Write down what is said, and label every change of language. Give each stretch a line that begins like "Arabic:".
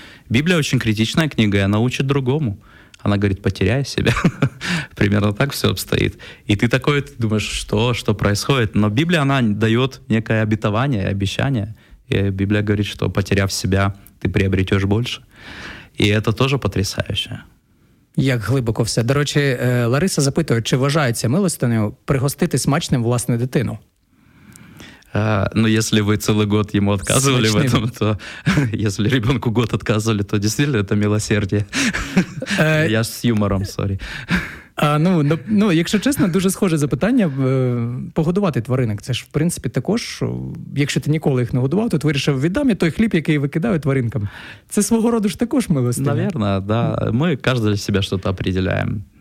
Russian: Библия очень критичная книга, и она учит другому. Она говорит: потеряй себя. Примерно так все обстоит. И ты такой, ты думаешь, что происходит? Но Библия, она дает некое обетование и обещание. И Библия говорит, что потеряв себя, ты приобретешь больше. И это тоже потрясающе.
Ukrainian: Як глибоко все. До речі, Лариса запитує, чи вважається милостиною пригостити смачним власну дитину?
Russian: Ну, если вы целый год ему отказывали в этом, то если ребенку год отказывали, то действительно это милосердие. Я с юмором, сорі.
Ukrainian: Ну, якщо чесно, дуже схоже запитання. Погодувати тваринок, це ж, в принципі, також, якщо ти ніколи їх не годував, то вирішив: віддам я той хліб, який викидаю тваринкам. Це свого роду ж також милостиня.
Russian: Наверно, да.
Ukrainian: Ми кожен для себе щось определяємо.